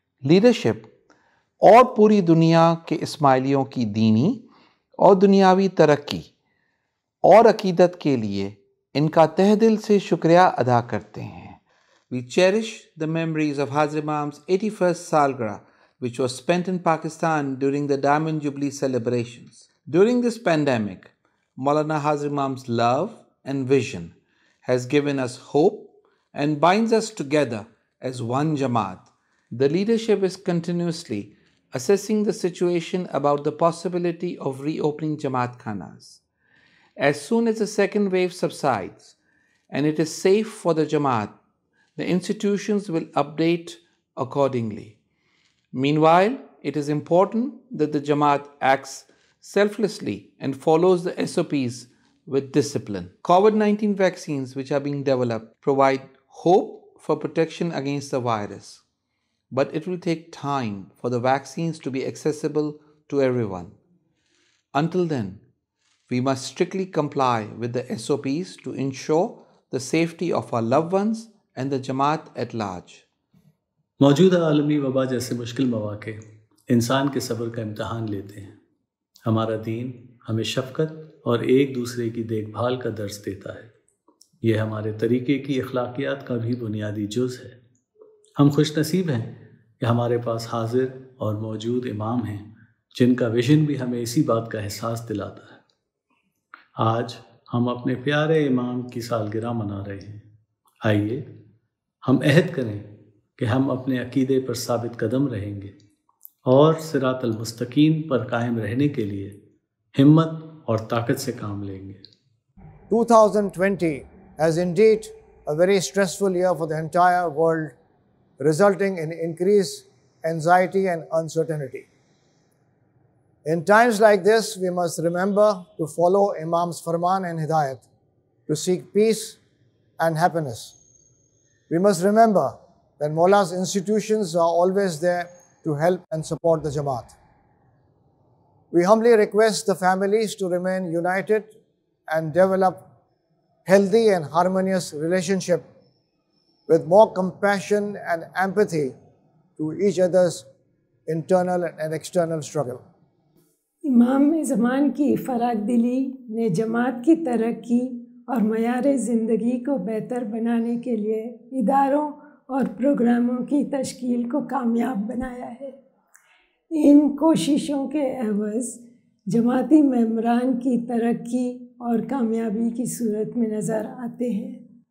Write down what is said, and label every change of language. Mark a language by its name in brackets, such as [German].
[Urdu] Leadership اور پوری دنیا کے اسماعیلیوں کی دینی اور دنیاوی ترقی اور عقیدت کے لیے ان کا تہ دل سے شکریہ ادا کرتے ہیں۔ [English] We cherish the memories of Hazir امام's 81st سالگرہ which was spent in Pakistan during the Diamond Jubilee celebrations. During this pandemic, Maulana Hazir Imam's love and vision has given us hope and binds us together as one Jamaat. The leadership is continuously assessing the situation about the possibility of reopening Jamaat Khanas. As soon as the second wave subsides and it is safe for the Jamaat, the institutions will update accordingly. Meanwhile, it is important that the Jamaat acts selflessly and follows the SOPs with discipline. COVID-19 vaccines which are being developed provide hope for protection against the virus, but it will take time for the vaccines to be accessible to everyone. Until then, we must strictly comply with the SOPs to ensure the safety of our loved ones and the Jamaat at large. [Urdu] موجودہ عالمی وبا جیسے مشکل مواقع انسان کے صبر کا امتحان لیتے ہیں۔ ہمارا دین ہمیں شفقت اور ایک دوسرے کی دیکھ بھال کا درس دیتا ہے۔ یہ ہمارے طریقے کی اخلاقیات کا بھی بنیادی جز ہے۔ ہم خوش نصیب ہیں کہ ہمارے پاس حاضر اور موجود امام ہیں جن کا ویژن بھی ہمیں اسی بات کا احساس دلاتا ہے۔ آج ہم اپنے پیارے امام کی سالگرہ منا رہے ہیں۔ آئیے ہم عہد کریں کہ ہم اپنے عقیدے پر ثابت قدم رہیں گے اور صراط المستقیم پر قائم رہنے کے لیے ہمت اور طاقت سے کام لیں گے۔ [English] 2020 has indeed a very stressful year for the entire world, resulting in increased anxiety and uncertainty. In times like this, we must remember to follow Imam's farman and hidayat to seek peace and happiness. We must remember that Mawla's institutions are always there to help and support the Jamaat. We humbly request the families to remain united and develop healthy and harmonious relationship with more compassion and empathy to each other's internal and external struggle. [Urdu] Imam Zaman ki farag dili ne Jamaat ki tarakki aur mayare zindagi ko behtar banane ke liye idaron اور پروگراموں کی تشکیل کو کامیاب بنایا ہے۔ ان کوششوں کے عوض جماعتی ممبران کی ترقی اور کامیابی کی صورت میں نظر آتے ہیں۔